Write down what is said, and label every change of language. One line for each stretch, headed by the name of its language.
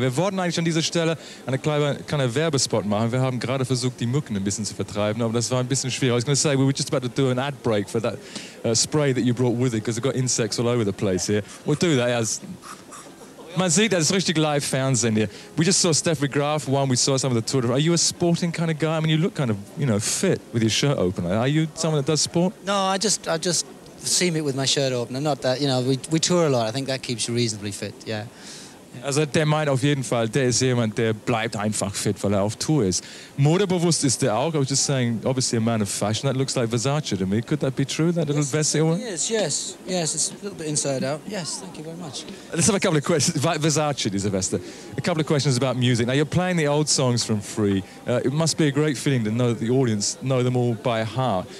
German: Wir wollten eigentlich an dieser Stelle eine kleine Werbespot machen. Wir haben gerade versucht, die Mücken ein bisschen zu vertreiben, aber das war ein bisschen schwierig.
English: I was going to say, we were just about to do an ad break for that spray that you brought with it, because we've got insects all over the place here. We'll do that.
German: As man sieht, das ist richtig live Fernsehen hier.
English: We just saw Steffi Graf, one, we saw some of the Tour. Are you a sporting kind of guy? I mean, you look kind of, you know, fit with your shirt open. Are you someone that does sport? No, I just seam it with my shirt open. Not that, you know, we tour a lot. I think that keeps you reasonably fit, yeah.
German: Also der meint auf jeden Fall, der ist jemand, der bleibt einfach fit, weil er auf Tour ist. Modebewusst ist der auch.
English: I was just saying, obviously a man of fashion. That looks like Versace to me. Could that be true, that little Versace one? Yes, yes. Yes, it's a little bit inside out. Yes, thank you very much. Let's have a couple of questions.
German: Versace, diese Veste.
English: A couple of questions about music. Now, you're playing the old songs from Free. It must be a great feeling to know that the audience know them all by heart.